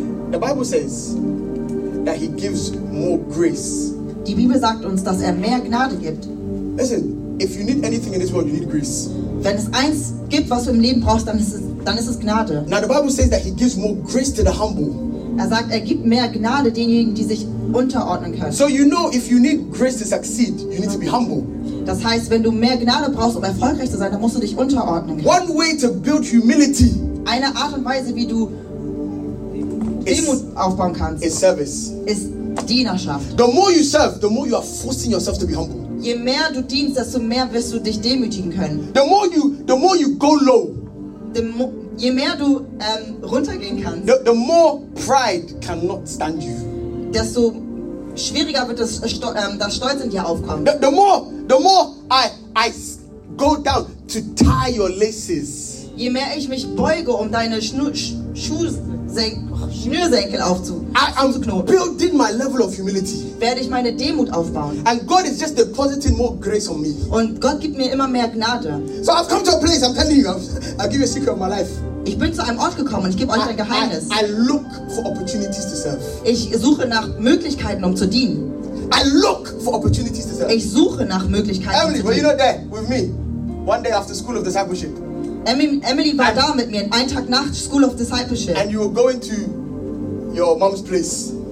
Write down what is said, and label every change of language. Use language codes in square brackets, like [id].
[en] The Bible says that he gives more grace. [de] Die Bibel sagt uns, dass mehr Gnade gibt. [en] Listen, if you need anything in this world, you need grace. [de] Wenn es eins gibt, was du im Leben brauchst, dann ist es Gnade. [en] Now the Bible says that he gives more grace to the humble. [de] Er sagt, gibt mehr Gnade denjenigen, die sich unterordnen können. [en] So you know, if you need grace to succeed, you need to be humble. [de] Das heißt, wenn du mehr Gnade brauchst, um erfolgreich zu sein, dann musst du dich unterordnen können. [en] One way to build humility. [de] Eine Art und Weise, wie du Demut aufbauen kannst. [en] Is service. [de] Ist Dienerschaft. [en] The more you serve, the more you are forcing yourself to be humble. [de] Je mehr du dienst, desto mehr wirst du dich demütigen können. [en] The more you go low. [de] Je mehr du runtergehen kannst, [en] the more pride cannot stand you. [de] Desto schwieriger wird das Stolz in dir aufkommen. [en] The more I go down to tie your laces. [de] Je mehr ich mich beuge, um deine Schnürsenkel aufzuknoten. [en] Building my level of humility. [de] Werde ich meine Demut aufbauen. [en] And God is just depositing more grace on me. [de] Und Gott gibt mir immer mehr Gnade. [en] So I've come to a place, I'm telling you, I'll give you a secret of my life. [de] Ich bin zu einem Ort gekommen und ich gebe euch ein Geheimnis. [en] I look for opportunities to serve. [de] Ich suche nach Möglichkeiten, um zu dienen. [en] I look for opportunities to serve. [de] Ich suche nach Möglichkeiten, Emily, zu dienen. [en] Emily, were you not there with me? One day after School of Discipleship. [de] Emily war da mit mir, einen Tag nach School of Discipleship. [en] And you were going to your mom's place.